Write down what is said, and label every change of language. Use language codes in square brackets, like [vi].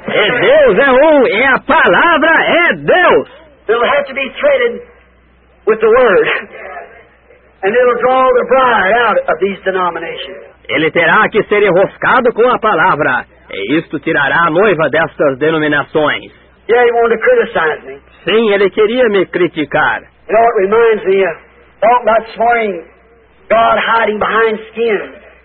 [pt] E Deus é um e a palavra é Deus. [en] It'll have to be threaded with the word. And it'll draw the bride out of these denominations. [pt] Ele terá que ser enroscado com a palavra. E isto tirará a noiva destas denominações. [en] Yeah, he wanted to criticize me. [pt] Sim, ele queria me criticar. [en] You know, it reminds me of talking about swearing God hiding behind skin.